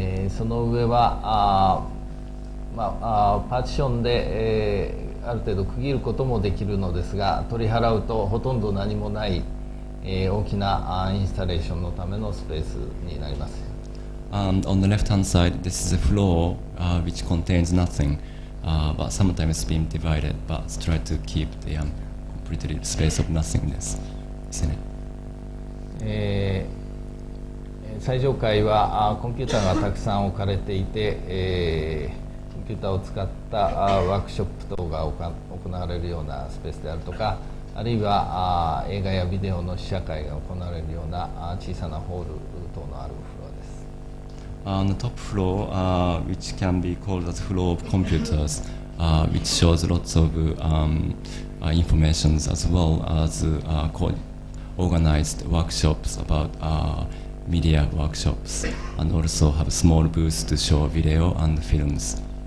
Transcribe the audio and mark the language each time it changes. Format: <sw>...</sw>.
<ja>その上は、まあ、パーティションで、ある程度区切ることもできるのですが、取り払うとほとんど何もない、大きなインスタレーションのためのスペースになります。</ja> <en>And on the left-hand side, this is a floor which contains nothing, but sometimes it's been divided, but try to keep the completely space of nothingness, isn't it?</en> <ja>最上階はコンピューターがたくさん置かれていて、コンピューターを使ったワークショップ等が行われるようなスペースであるとか、あるいは映画やビデオの試写会が行われるような小さなホール等のあるフロアです。</ja> <en>On the top floor, which can be called as floor of computers, which shows lots of information as well as organized workshops about media workshops, and also have small booths to show video and films.</en>